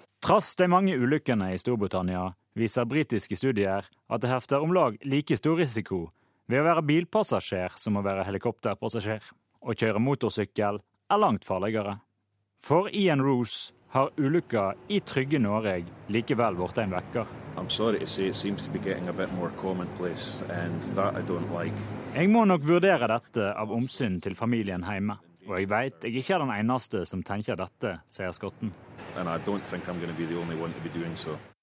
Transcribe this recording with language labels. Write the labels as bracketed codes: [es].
[no] Trass de mange ulykkene i Storbritannia viser britiske studier at det hefter om lag like stor risiko ved å være bilpassasjer som å være helikopterpassasjer. Å kjøre motorsykkel er langt farligere. For Ian Roos har ulykka i trygge Norge likevel vært en vekker. [en] I'm sorry to say it seems to be getting a bit more commonplace, and that I don't like. [no] Jeg må nok vurdere dette av omsyn til familien hjemme. Og jeg vet jeg ikke er den eneste som tenker dette, sier skotten. [en] And I don't think I'm going to be the only one to be doing so.